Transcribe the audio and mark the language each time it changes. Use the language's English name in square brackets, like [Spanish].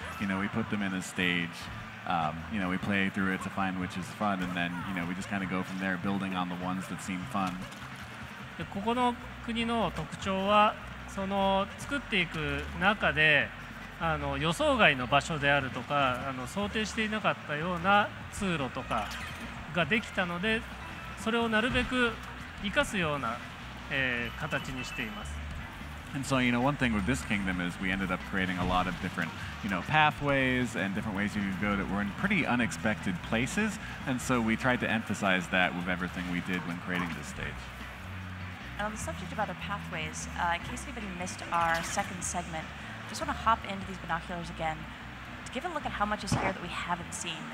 [English] You know, we put them in a stage. You know, we play through it to find which is fun, and then you know we just kind of go from there, building on the ones that seem fun. [Japanese] でここの国の特徴はその作っていく中で予想外の場所であるとか想定していなかったような通路とかができたので。それをなるべく生かすような、形にしています。 [English] And so, you know, one thing with this kingdom is we ended up creating a lot of different, you know, pathways and different ways you could go that were in pretty unexpected places. And so we tried to emphasize that with everything we did when creating this stage. And on the subject of other pathways, in case anybody missed our second segment, I just want to hop into these binoculars again to give a look at how much is here that we haven't seen.